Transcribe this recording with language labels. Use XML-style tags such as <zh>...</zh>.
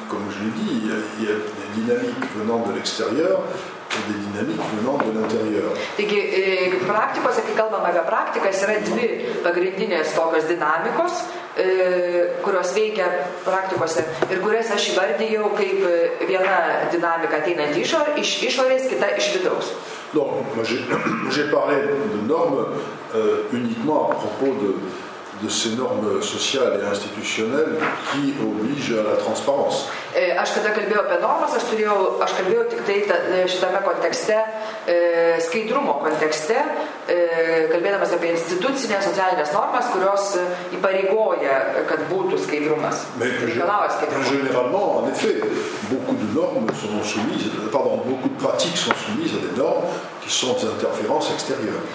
<fr>Comme je l'ai dit, il y a des dynamiques venant de l'extérieur et des dynamiques venant de l'intérieur.</fr> <lt>Taigi, praktikose, kai kalbame apie praktikas, yra dvi pagrindinės tokios dinamikos, kurios veikia praktikose ir kurias aš įvardėjau kaip viena dinamika ateinant iš išorės, kita iš vidaus.</lt> <fr>Non, j'ai parlé de normes uniquement à propos de ces normes sociales et institutionnelles qui obligent à la transparence.</fr> <lt>Aš kada kalbėjau apie normas, aš kalbėjau tik tai šitame kontekste, skaidrumo kontekste, kalbėdamas apie institucinės socialinės normas, kurios įpareigoja, kad būtų skaidrumas.</lt> <fr>Mais généralement, en effet, beaucoup de normes sont soumises, pardon, beaucoup de pratiques sont soumises à des normes qui sont des interférences extérieures.</fr>